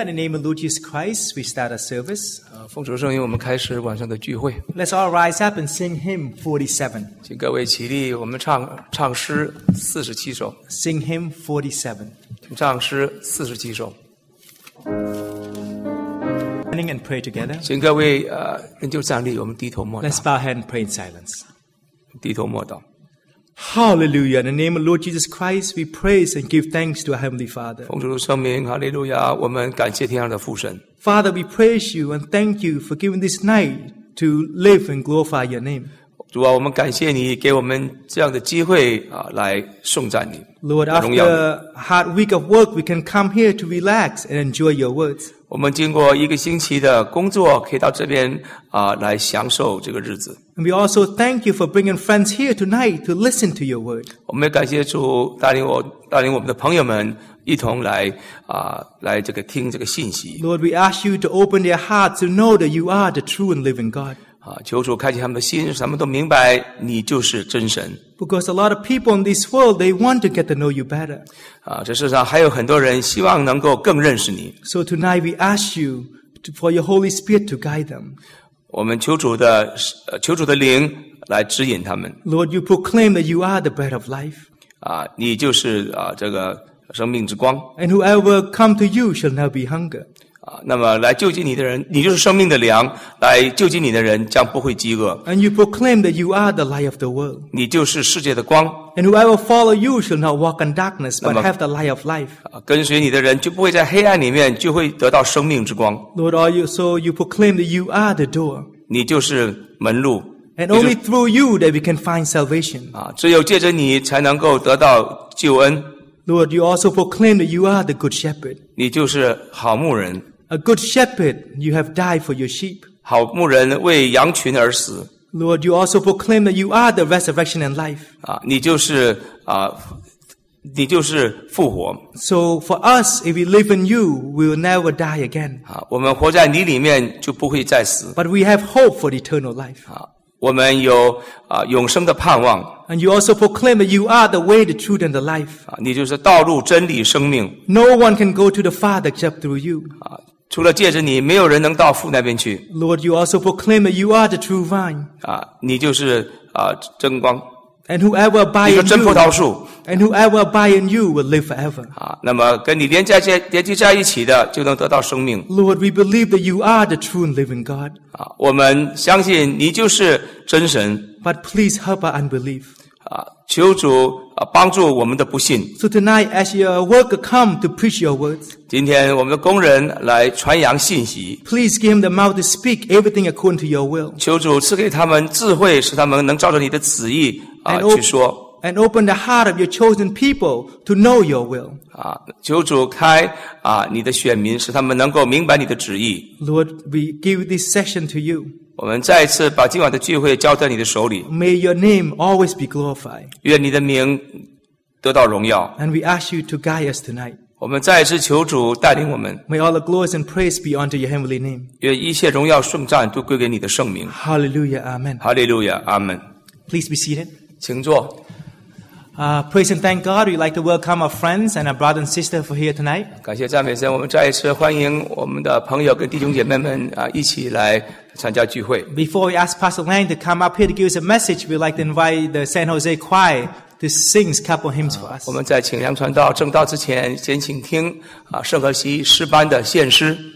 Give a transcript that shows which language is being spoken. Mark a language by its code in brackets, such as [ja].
[en] In the name of Lord Jesus Christ, we start our service. [zh] 奉主圣名，我们开始晚上的聚会。 [en] Let's all rise up and sing hymn 47. [zh] 请各位起立，我们唱诗四十七首。 [en] Sing hymn 47. [zh] 请唱诗四十七首。 [en] Standing and pray together. [zh] 请各位仍旧站立，我们低头默祷。 [en] Let's bow and pray in silence. [zh] 低头默祷。 [en] Hallelujah! In the name of Lord Jesus Christ, we praise and give thanks to our Heavenly Father. [zh] 奉主圣名，哈利路亚！我们感谢天上的父神。 [en] Father, we praise you and thank you for giving this night to live and glorify your name. [zh] 主啊，我们感谢你给我们这样的机会啊，来颂赞你。 [en] Lord, after a hard week of work, we can come here to relax and enjoy your words. [zh] 我们经过一个星期的工作，可以到这边啊，来享受这个日子。 [en] And we also thank you for bringing friends here tonight to listen to your word. [zh] 我们也感谢主带领我们的朋友们一同来来这个听这个信息。 [en] Lord, we ask you to open their hearts to know that you are the true and living God. [zh] 啊，求主开启他们的心，什么都明白，你就是真神。 [en] Because a lot of people in this world, they want to get to know you better. [zh] 啊，这世上还有很多人希望能够更认识你。 [en] So tonight we ask you for your Holy Spirit to guide them. [zh] 我们求主的灵来指引他们。 [en] Lord, you proclaim that you are the bread of life. [zh] 啊，你就是啊这个生命之光。 [en] And whoever come to you shall not be hunger. [zh] 啊，那么来就近你的人，你就是生命的粮；来就近你的人将不会饥饿。 [en] And you proclaim that you are the light of the world. [zh] 你就是世界的光。 [en] And whoever follow you shall not walk in darkness, but have the light of life. [zh] 跟随你的人就不会在黑暗里面，就会得到生命之光。 [en] Lord, so you proclaim that you are the door. [zh] 你就是门路。 [en] And only through you that we can find salvation. [zh] 只有借着你才能够得到救恩。 [en] Lord, you also proclaim that you are the good shepherd. [zh] 你就是好牧人。 [en] A good shepherd, you have died for your sheep. [zh] 好牧人为羊群而死。 [en] Lord, you also proclaim that you are the resurrection and life. [zh] 你就是复活。 [en] So for us, if we live in you, we will never die again. [zh] 我们活在你里面就不会再死。 [en] But we have hope for eternal life. [zh] 我们有永生的盼望。 [en] And you also proclaim that you are the way, the truth, and the life. [zh] 你就是道路、真理、生命。 [en] No one can go to the Father except through you. [zh] 除了借着你，没有人能到父那边去。 [en] Lord, you also proclaim that you are the true vine. [zh] 你就是真光。 [en] And whoever abide in you, [zh] 你是真葡萄树。 [en] And whoever abide in you will live forever. [zh] 那么跟你连接在一起的，就能得到生命。 [en] Lord, we believe that you are the true and living God. [zh] 我们相信你就是真神。 [en] But please help our unbelief. [zh] 求主帮助我们的不信。 [en] So tonight, as your worker come to preach your words, [zh] 今天我们的工人来传扬信息。 [en] Please give him the mouth to speak everything according to your will. [zh] 求主赐给他们智慧，使他们能照着你的旨意去说。 [en] And open the heart of your chosen people to know your will. [zh] 求主开你的选民，使他们能够明白你的旨意。 [en] Lord, we give this session to you. [zh] 我们再一次把今晚的聚会交在你的手里。 [en] May your name always be glorified. [zh] 愿你的名得到荣耀。 [en] And we ask you to guide us tonight. [zh] 我们再一次求主带领我们。 [en] May all the glories and praise be unto your heavenly name. [zh] 愿一切荣耀颂赞都归给你的圣名。 [en] Hallelujah, Amen. Hallelujah, Amen. Please be seated. [zh] 请坐。 [en] Praise and thank God. We'd like to welcome our friends and our brother and sister for here tonight. [zh] 感谢赞美神，我们再一次欢迎我们的朋友跟弟兄姐妹们一起来参加聚会。 [en] Before we ask Pastor Lang to come up here to give us a message, we'd like to invite the San Jose Choir to sing a couple hymns for us. [zh] 我们在请梁传道正道之前，先请听圣何西诗班的献诗。